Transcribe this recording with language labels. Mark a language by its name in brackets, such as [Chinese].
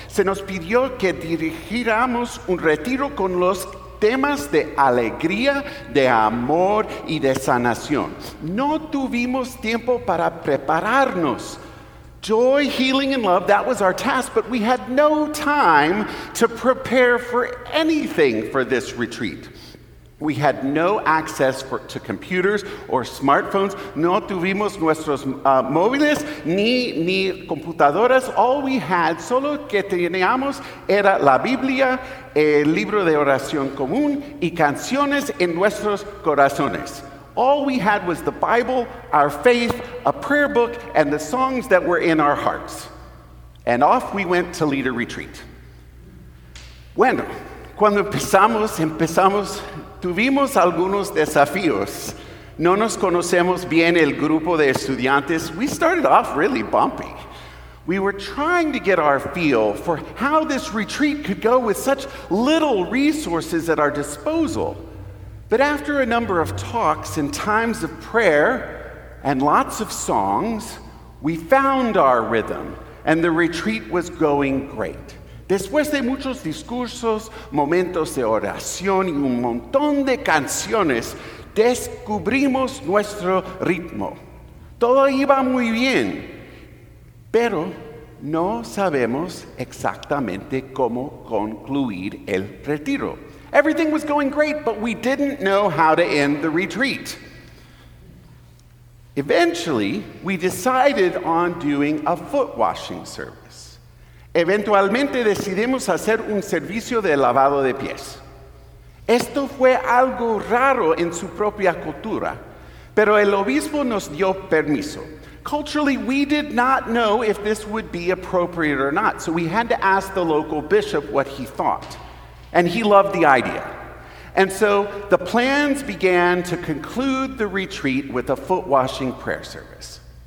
[Spanish] Se nos pidió que dirigiéramos un retiro con los temas de alegría, de amor, y de sanación. No tuvimos tiempo para prepararnos. [English] Joy, healing, and love, that was our task, but we had no time to prepare for anything for this retreat. We had no access to computers or smartphones. [Spanish] No tuvimos nuestros móviles ni computadoras. [English] All we had, [Spanish] solo que teníamos, era la Biblia, el libro de oración común y canciones en nuestros corazones. [English] All we had was the Bible, our faith, a prayer book, and the songs that were in our hearts. And off we went to lead a retreat. [Spanish] Bueno, cuando empezamos, tuvimos algunos desafíos. No nos conocemos bien el grupo de estudiantes. [English] We started off really bumpy. We were trying to get our feel for how this retreat could go with such little resources at our disposal. But after a number of talks and times of prayer and lots of songs, we found our rhythm and the retreat was going great. [Spanish] Después de muchos discursos, momentos de oración y un montón de canciones, descubrimos nuestro ritmo. Todo iba muy bien, pero no sabemos exactamente cómo concluir el retiro. [English] Everything was going great, but we didn't know how to end the retreat. Eventually, we decided on doing a foot washing service. [Spanish] Eventualmente decidimos hacer un servicio de lavado de pies. Esto fue algo raro en su propia cultura, pero el obispo nos dio permiso. [English] Culturally, we did not know if this would be appropriate or not, so we had to ask the local bishop what he thought. And he loved the idea. And so the plans began to conclude the retreat with a foot washing prayer service.